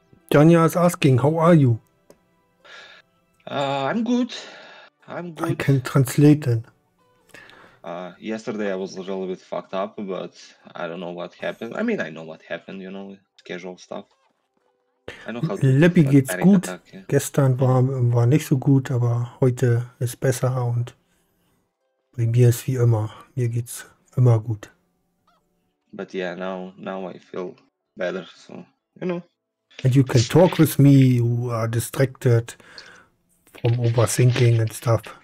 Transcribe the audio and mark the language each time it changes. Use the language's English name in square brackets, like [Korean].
[English] Tanya is asking, how are you? I'm good. I can translate then. Yesterday I was a little bit fucked up, but I don't know what happened. I mean, I know what happened, you know, casual stuff. [German] Leppi geht's gut. Gestern war nicht so gut, aber heute ist besser und bei mir ist wie immer. Mir geht's immer gut. [English] But yeah, now I feel better, so, you know. And you can talk with me, you are distracted from overthinking and stuff.